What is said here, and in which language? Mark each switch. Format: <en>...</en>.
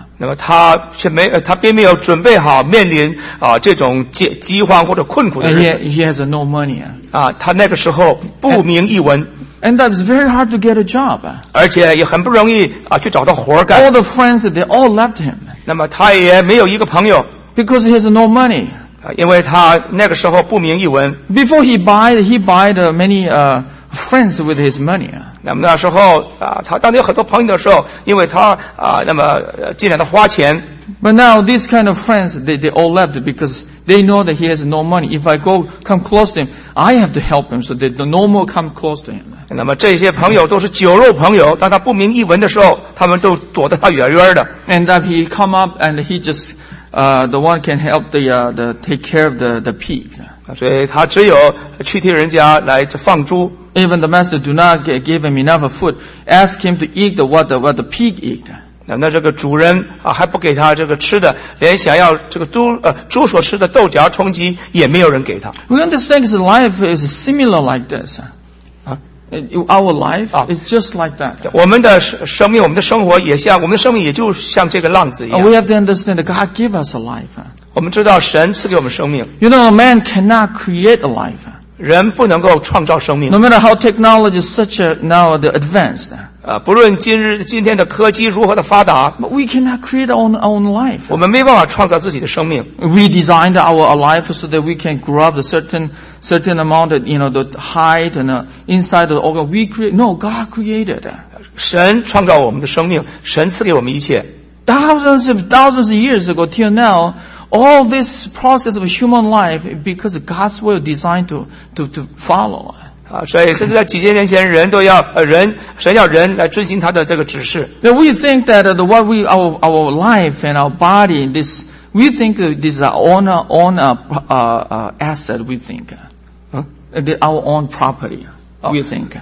<zh>那么他却没他并没有准备好面临这种饥荒或者困苦的日子。</zh> <en>He has no money.</en> <zh>他那个时候不明一文。</zh> <en>And that was very hard to get a job.</en> <zh>而且也很不容易去找到活干。</zh> <en>All the friends, they all left him.</en> <zh>那么他也没有一个朋友。</zh> <en>Because he has no money.</en> <zh>因为他那个时候不明一文。</zh> <en>Before he buy many friends with his money.</en> <zh>那么那时候他当他有很多朋友的时候，因为他那么尽量的花钱。</zh> <en>But now these kind of friends, they all left because they know that he has no money. If I go come close to him, I have to help him so they no more come close to him.</en> <zh>那么这些朋友都是酒肉朋友，当他不明一文的时候，他们都躲得他远远的。</zh> <en>And that he come up and he just, the one can help the take care of the pigs.</en> <zh>所以他只有去替人家来放猪。</zh> <en>Even the master do not give him enough food, ask him to eat what the pig eat.</en> <zh>那这个主人还不给他这个吃的，连想要这个猪所吃的豆荚充饥也没有人给他。</zh> <en>We understand his life is similar like this. Our life is just like that.</en> <zh>我们的生命，我们的生活也像，我们的生命也就像这个浪子一样。</zh> <en>We have to understand that God give us a life.</en> <zh>我们知道神赐给我们生命。</zh> <en>You know, a man cannot create a life.</en> <zh>人不能够创造生命。</zh> <en>No matter how technology is such a now the advanced.</en> <zh>不论今天的科技如何的发达。</zh> <en>But we cannot create our own life.</en> <zh>我们没办法创造自己的生命。</zh> <en>We designed our life so that we can grow up a certain amount of, you know, the height and inside the organ, we create, no, God created.</en> <zh>神创造我们的生命，神赐给我们一切。</zh> <en>Thousands of years ago till now, all this process of human life, because God's will designed to follow.</en> <zh>所以甚至在几千年前人都要人神要人来遵循他的这个指示。</zh> <en>Now we think that what we, our life and our body, thisWe think this is our own asset, we think. Our own property, we think.</en>